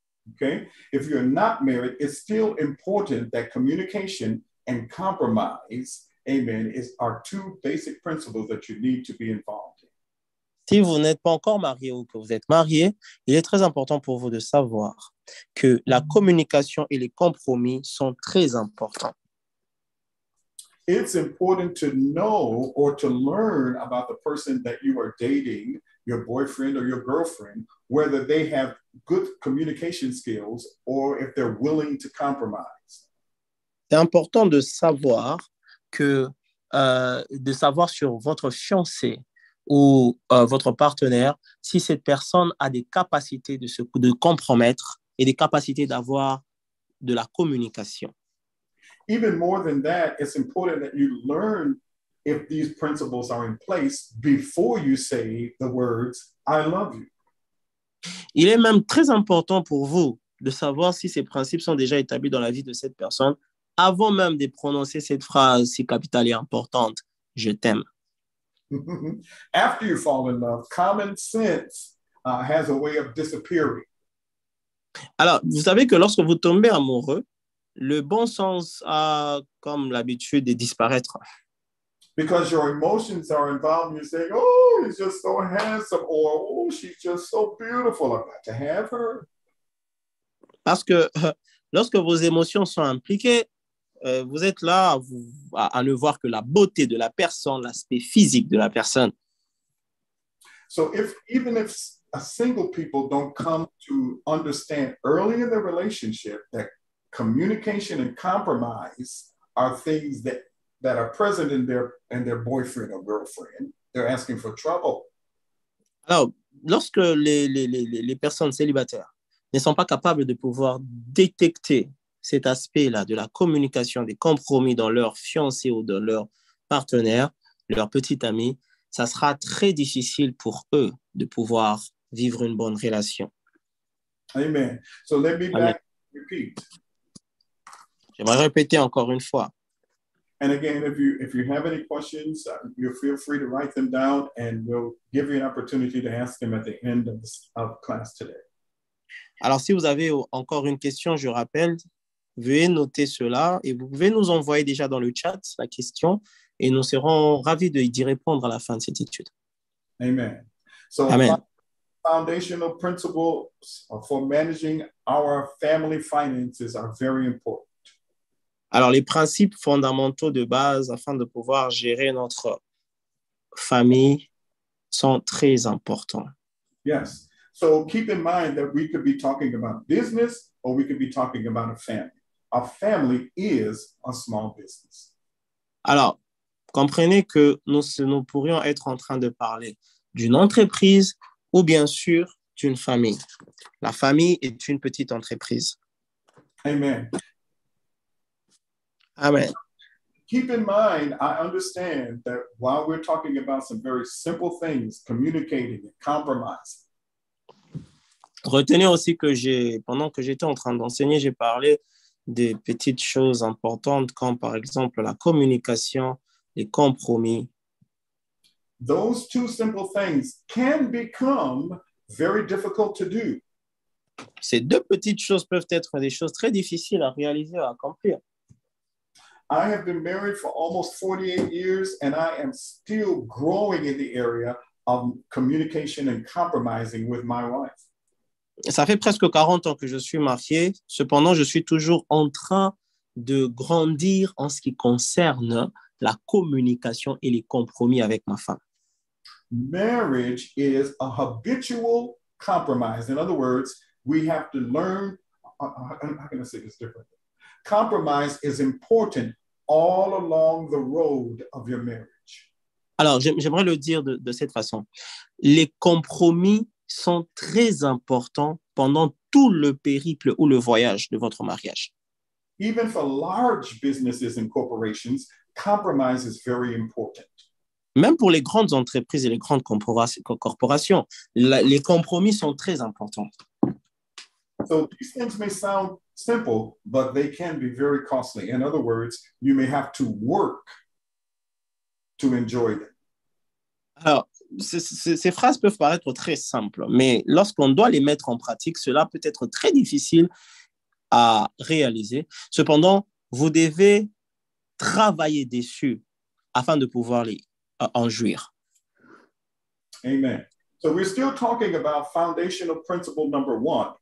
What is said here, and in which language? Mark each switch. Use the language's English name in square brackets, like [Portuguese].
[English] okay, if you're not married, it's still important that communication and compromise, amen, is our two basic principles that you need to be involved in. [French] Si vous n'êtes pas encore marié ou que vous êtes marié, il est très important pour vous de savoir que la communication et les compromis sont très importants. [English] It's important to know or to learn about the person that you are dating, your boyfriend or your girlfriend, whether they have good communication skills or if they're willing to compromise. [French] C'est important de savoir sur votre fiancé ou votre partenaire si cette personne a des capacités de compromettre et des capacités d'avoir de la communication. [English] Even more than that, it's important that you learn if these principles are in place before you say the words, I love you. [French] Il est même très important pour vous de savoir si ces principes sont déjà établis dans la vie de cette personne avant même de prononcer cette phrase si capitale et importante, je t'aime. [English] After you fall in love, common sense has a way of disappearing. [French] Alors, vous savez que lorsque vous tombez amoureux, le bon sens a comme l'habitude de disparaître. [English] Because your emotions are involved, you say, oh, he's just so handsome, or oh, she's just so beautiful, I've got to have her. [French] Parce que lorsque vos émotions sont impliquées, vous êtes là à ne voir que la beauté de la personne, l'aspect physique de la personne. [English] So if even if a single people don't come to understand early in the relationship that communication and compromise are things that that are present in their boyfriend or girlfriend, they're asking for trouble. [French] Alors, lorsque les personnes célibataires ne sont pas capables de pouvoir détecter cet aspect-là de la communication des compromis dans leur fiancé ou dans leur partenaire, leur petit ami, ça sera très difficile pour eux de pouvoir vivre une bonne relation. [English] Amen. So let me back repeat. [French] J'aimerais répéter encore une fois. [English] And again, if you have any questions, you feel free to write them down and we'll give you an opportunity to ask them at the end of class today. [French] Alors, si vous avez encore une question, je rappelle, veuillez noter cela et vous pouvez nous envoyer déjà dans le chat la question et nous serons ravis d'y répondre à la fin de cette étude. [English] Amen. So, foundational principles for managing our family finances are very important. [French] Alors, les principes fondamentaux de base afin de pouvoir gérer notre famille sont très importants. [English] Yes. So keep in mind that we could be talking about business or we could be talking about a family. A family is a small business. [French] Alors, comprenez que nous pourrions être en train de parler d'une entreprise ou bien sûr d'une famille. La famille est une petite entreprise. [English] Amen. Amen. Keep in mind, I understand that while we're talking about some very simple things, communicating and compromising, [French] retenez aussi que pendant que j'étais en train d'enseigner, j'ai parlé des petites choses importantes comme par exemple la communication, les compromis. [English] Those two simple things can become very difficult to do. [French] Ces deux petites choses peuvent être des choses très difficiles à réaliser, à accomplir. [English] I have been married for almost 48 years and I am still growing in the area of communication and compromising with my wife. [French] Ça fait presque 40 ans que je suis marié. Cependant, je suis toujours en train de grandir en ce qui concerne la communication et les compromis avec ma femme. [English] Marriage is a habitual compromise. In other words, we have to learn. How can I say this differently? Compromise is important all along the road of your marriage. [French] Alors, j'aimerais le dire de cette façon. Les compromis sont très importants pendant tout le périple ou le voyage de votre mariage. [English] Even for large businesses and corporations, compromise is very important. [French] Même pour les grandes entreprises et les grandes corporations, les compromis sont très importants. [English] So these things may sound simple, but they can be very costly. In other words, you may have to work to enjoy them. [French] Alors, ces phrases peuvent paraître très simples, mais lorsqu'on doit les mettre en pratique, cela peut être très difficile à réaliser. Cependant, vous devez travailler dessus afin de pouvoir en jouir. [English] Amen. So we're still talking about foundational principle number one.